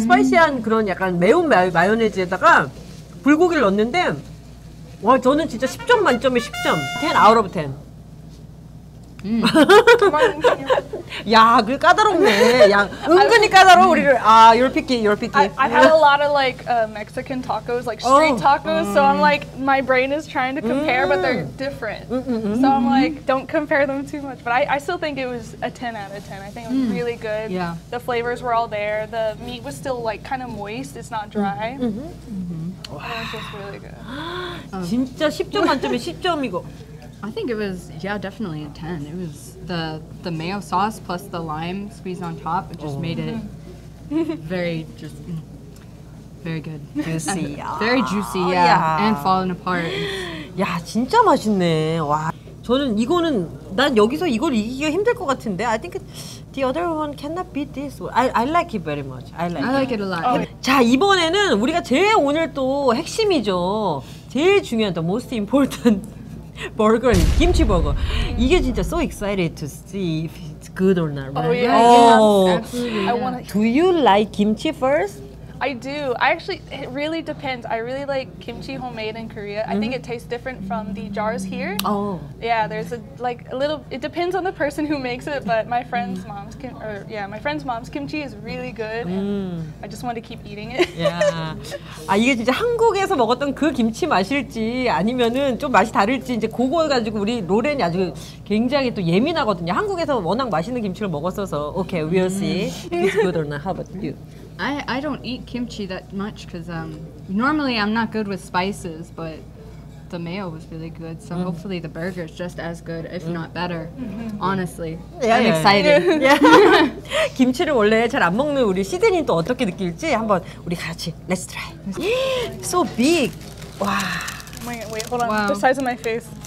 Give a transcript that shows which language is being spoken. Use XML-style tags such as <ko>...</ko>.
<ko>스파이시한 그런 약간 매운 마요네즈에다가 불고기를 넣었는데 와, 저는 진짜 10점 만점에 10점.</ko> <en>10 out of 10.</en> <ko>야, 그 까다롭네. 야, 은근히 까다로 우리를 아,</ko> <en>you're picky, you're picky. I've had a lot of like Mexican tacos, like street tacos. So I'm like, my brain is trying to compare, but they're different. So I'm like, don't compare them too much. But I still think it was a 10 out of 10. I think it was really good. Yeah. The flavors were all there. The meat was still like kind of moist. It's not dry. It was just really good.</en> <ko>진짜 10점 만점에 10점 이거.</ko> <en>I think it was, yeah, definitely a 10. It was the mayo sauce plus the lime squeezed on top. It just made it very, very good. Juicy. Very juicy, yeah. Yeah. And falling apart.</en> <ko>야, 진짜 맛있네. 와. 저는 이거는, 난 여기서 이걸 이기기가 힘들 것 같은데.</ko> <en>I think the other one cannot beat this one. I like it very much. I like it a lot. Oh.</en> <ko>자, 이번에는 우리가 제일 오늘 또 핵심이죠. 제일 중요한,</ko> <en>the most important.</en> <ko>버거, 김치 버거. 이게 진짜</ko> <en>so excited to see if it's good or not. Right? Oh yeah, absolutely. I wanna... Do you like kimchi first? I do. It really depends. I really like kimchi homemade in Korea. I think it tastes different from the jars here. Oh. Yeah, there's a little. It depends on the person who makes it, but my friend's mom's my friend's mom's kimchi is really good. I just want to keep eating it.</en> <ko>Yeah. 아 이게 진짜 한국에서 먹었던 그 김치 맛일지 아니면은 좀 맛이 다를지 이제 그거 가지고 우리 로렌이 아주 굉장히 또 예민하거든요. 한국에서 워낙 맛있는 김치를 먹었어서.</ko> <en>Okay, we'll see. It's good or not. How about you? I don't eat kimchi that much because normally I'm not good with spices, but the mayo was really good. So hopefully the burger is just as good, if not better. Honestly, I'm excited.</en> <ko>김치를 원래 잘 안 먹는 우리 시드니는 또 어떻게 느낄지 한번 우리 같이</ko> <en>let's try. So big. Wow. Wait, hold on. Wow. The size of my face.</en>